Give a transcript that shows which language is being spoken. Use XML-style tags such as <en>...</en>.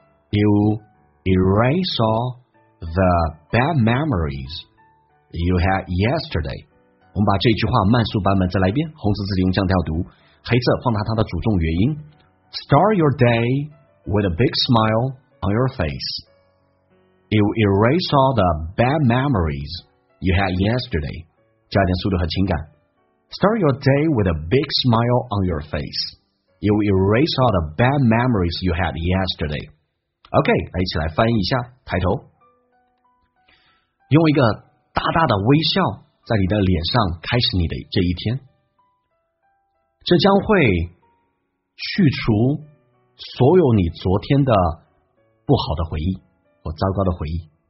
<en>You erase all the bad memories you had yesterday.</en> <zh>我们把这句话慢速版本再来一遍。红色字体用降调读，黑色放大它的主重元音。</zh> <en>Start your day with a big smile on your face. You erase all the bad memories you had yesterday.</en> <zh>加点速度和情感。</zh> <en>Start your day with a big smile on your face. You erase all the bad memories you had yesterday. OK,</en> <zh>来一起来翻译一下抬头。用一个大大的微笑在你的脸上开始你的这一天。这将会去除所有你昨天的不好的回忆或糟糕的回忆。</zh>